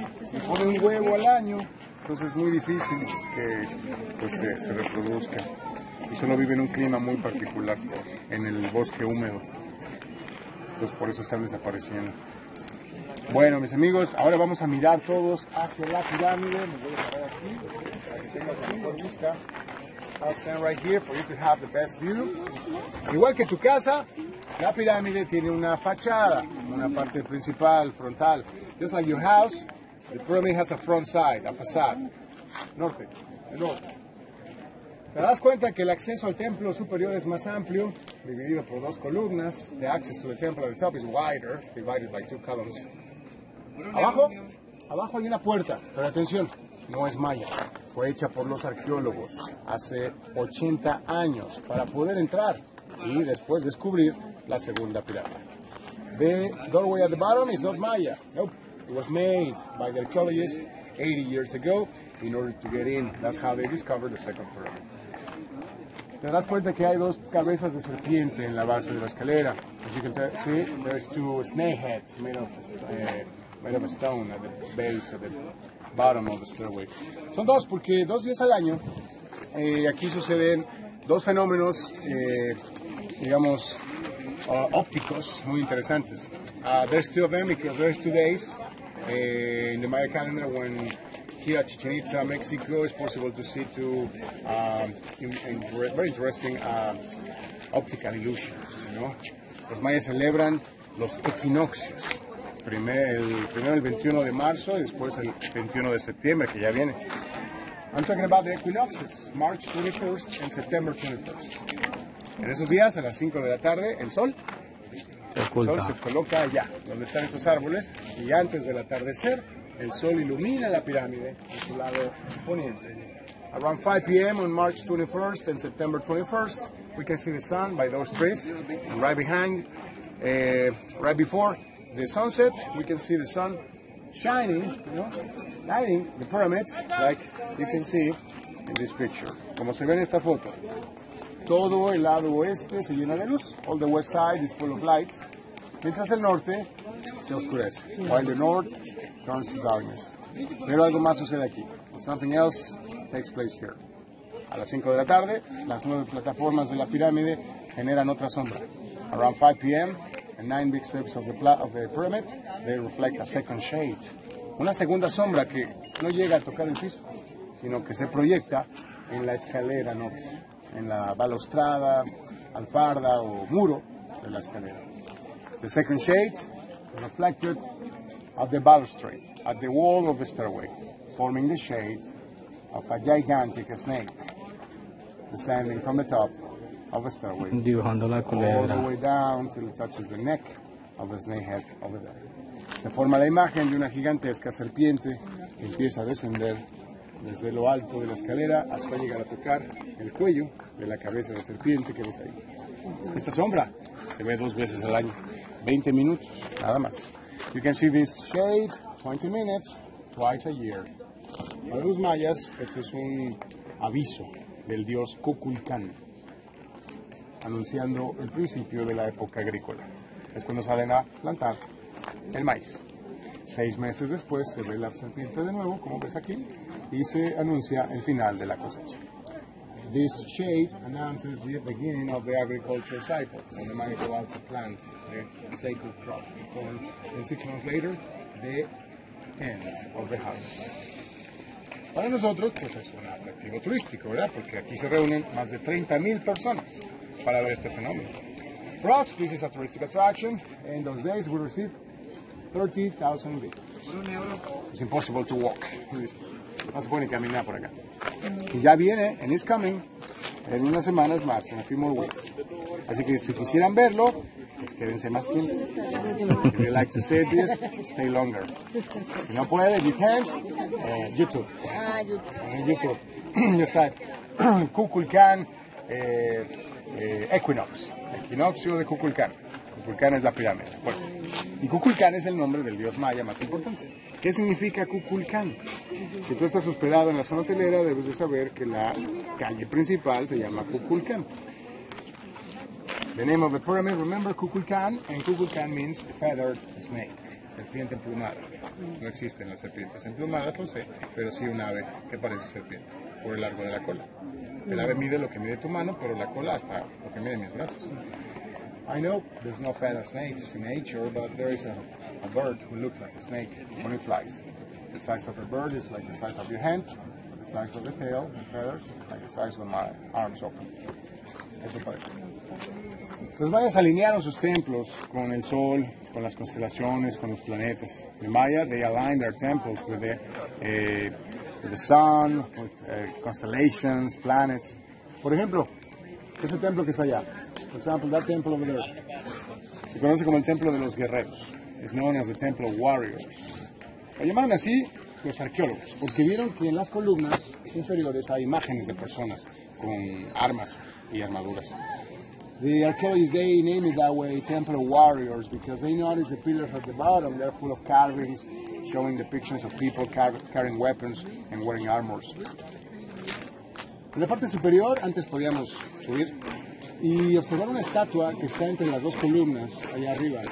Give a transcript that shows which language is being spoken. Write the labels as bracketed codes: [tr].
[es] Se pone un huevo al año, entonces es muy difícil que pues, se reproduzca. Y solo vive en un clima muy particular, en el bosque húmedo. Entonces por eso están desapareciendo. Bueno, mis amigos, ahora vamos a mirar todos hacia la pirámide. Me voy a parar aquí para que tengas la mejor vista. [en] I'll stand right here for you to have the best view. [es] Igual que tu casa, la pirámide tiene una fachada, una parte principal, frontal. [en] Just like your house, the pyramid has a front side, a facade. [es] Norte, el norte. Te das cuenta que el acceso al templo superior es más amplio, dividido por dos columnas. [en] The access to the temple at the top is wider, divided by two columns. [es] Abajo hay una puerta, pero atención, no es maya. Fue hecha por los arqueólogos hace 80 años para poder entrar y después descubrir la segunda pirámide. [en] The doorway at the bottom is not maya. Nope, it was made by the archaeologists 80 years ago in order to get in. That's how they discovered the second pyramid. [es] Te das cuenta que hay dos cabezas de serpiente en la base de la escalera. [en] As you can see, there's two snake heads made of a stone at the base of the bottom of the stairway. [es] Son dos, porque dos días al año aquí suceden dos fenómenos, digamos, ópticos muy interesantes. [en] There's two of them because there's 2 days in the Maya calendar when here at Chichen Itza, Mexico, it's possible to see two very interesting optical illusions, you know. [es] Los mayas celebran los equinoccios. Primero el 21 de marzo y después el 21 de septiembre, que ya viene. [en] I'm talking about the equinoxes, March 21st and September 21st. [es] En esos días, a las 5 de la tarde, el sol se coloca allá, donde están esos árboles, y antes del atardecer, el sol ilumina la pirámide en su lado poniente. [en] Around 5 p.m. on March 21st and September 21st, we can see the sun by those trees, and right behind, right before, the sunset, we can see the sun shining, you know, lighting the pyramid, like you can see in this picture. [es] Como se ve en esta foto, todo el lado oeste se llena de luz. [en] All the west side is full of lights, [es] mientras el norte se oscurece, [en] while the north turns to darkness. [es] Pero algo más sucede aquí. [en] Something else takes place here. [es] A las 5 de la tarde, las 9 plataformas de la pirámide generan otra sombra. [en] Around 5 p.m., 9 big steps of the pyramid, they reflect a second shade. [es] una segunda sombra que no llega a tocar el piso, sino que se proyecta en la escalera norte, en la balaustrada, alfarda o muro de la escalera. [en] The second shade reflected at the balustrade, at the wall of the stairway, forming the shade of a gigantic snake descending from the top of a stairway, [es] dibujando la culebra, [en] all the way down till it touches the neck of a snake head over there. [es] Se forma la imagen de una gigantesca serpiente que empieza a descender desde lo alto de la escalera hasta llegar a tocar el cuello de la cabeza de la serpiente que ves ahí. Esta sombra se ve dos veces al año, 20 minutos, nada más. [en] You can see this shade 20 minutes twice a year. [es] Para los mayas, esto es un aviso del dios Kukulkan, anunciando el principio de la época agrícola. Es cuando salen a plantar el maíz. Seis meses después se ve la serpiente de nuevo, como ves aquí, y se anuncia el final de la cosecha. [en] This shade announces the beginning of the agriculture cycle, when the maya go out to plant the sacred crop. And 6 months later, the end of the harvest. [es] Para nosotros, pues es un atractivo turístico, ¿verdad? Porque aquí se reúnen más de 30,000 personas para ver este fenómeno. [en] For us, this is a touristic attraction. In those days, we received 30,000 visitors. It's impossible to walk. [es] No se puede caminar por acá. Y ya viene, [en] and it's coming, [es] en unas semanas más, [en] in a few more weeks. [es] Así que si quisieran verlo, pues quédense más tiempo. [en] If you like to see this, stay longer. [es] Si no puede, [en] you can't, [es] YouTube. Ah, YouTube. Ya está. Kukulkan, Equinox. Equinoccio de Kukulkan. Kukulkan es la pirámide, pues. Y Kukulkan es el nombre del dios maya más importante. ¿Qué significa Kukulkan? Si tú estás hospedado en la zona hotelera, debes de saber que la calle principal se llama Kukulkan. [en] The name of the pyramid, remember, Kukulkan, and Kukulkan means feathered snake, [es] serpiente emplumada. No existen las serpientes emplumadas, lo sé, pero sí un ave que parece serpiente, por el largo de la cola. El ave mide lo que mide tu mano, pero la cola hasta lo que mide mis brazos. [en] I know there's no feathered snakes in nature, but there is a bird who looks like a snake when it flies. The size of the bird is like the size of your hand, the size of the tail, the feathers, like the size of my arms open. [es] Eso parece. Los mayas alinearon sus templos con el sol, con las constelaciones, con los planetas. [en] The Maya, they aligned their temples with the sun, with constellations, planets. [es] Por ejemplo, ese templo que está allá. [en] For example, that temple over there. [es] Se conoce como el templo de los guerreros. [en] It's known as the temple of warriors. [es] Lo llamaron así los arqueólogos, porque vieron que en las columnas inferiores hay imágenes de personas con armas y armaduras. [en] The archaeologists, they named it that way, Temple of Warriors, because they noticed the pillars at the bottom, they're full of carvings, showing depictions of people carrying weapons and wearing armors. [es] En la parte superior, antes podíamos subir y observar una estatua que está entre las dos columnas, allá arriba.